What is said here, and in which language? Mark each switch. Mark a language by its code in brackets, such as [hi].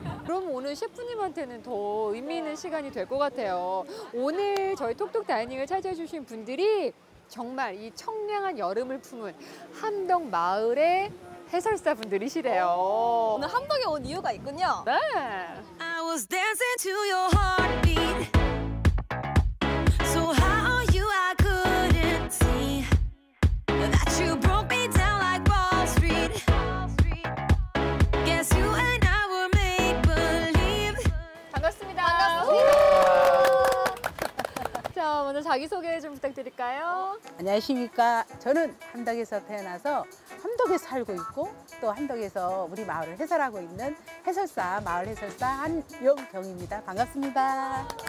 [ko] 그럼 오늘 셰프님한테는 더 의미 있는 시간이 될 것 같아요. 오늘 저희 톡톡 다이닝을 찾아주신 분들이 정말 이 청량한 여름을 품은 함덕 마을의 해설사분들이시래요. 오늘 함덕에 온 이유가 있군요. 네. [en] I was dancing to your heartbeat. So how are you? I couldn't see that you broke me down like Wall Street. Guess you and I were made believe. [ko] 반갑습니다. 반갑습니다. 자, 먼저 자기소개 좀 부탁드릴까요? 안녕하십니까. 저는 함덕에서 태어나서 함덕에 살고 있고 또 함덕에서 우리 마을을 해설하고 있는 해설사, 마을 해설사 한용경입니다. 반갑습니다.